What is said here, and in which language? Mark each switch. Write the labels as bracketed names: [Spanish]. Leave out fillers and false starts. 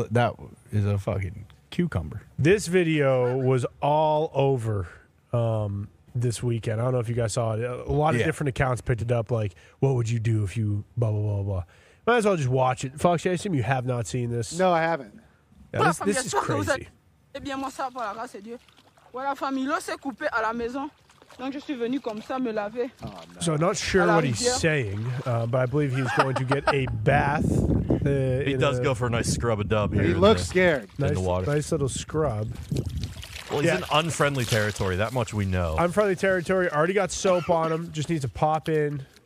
[English] That is a fucking cucumber. This video was all over this weekend. I don't know if you guys saw it. A lot of different accounts picked it up, like, what would you do if you blah, blah, blah, blah. Might as well just watch it. Fox, I assume you have not seen this. No, I haven't. Yeah, this is crazy. [French] Eh bien, moi, ça va, la grâce de Dieu. Voilà, famille, l'eau s'est coupée à la maison. Donc, je suis venu comme ça me laver. [English] So, I'm not sure what he's saying, but I believe he's going to get a bath. He does go for a nice scrub-a-dub here. He looks scared. Nice little scrub. Well, he's in unfriendly territory. That much we know. Unfriendly territory. Already got soap on him. Just needs to pop in.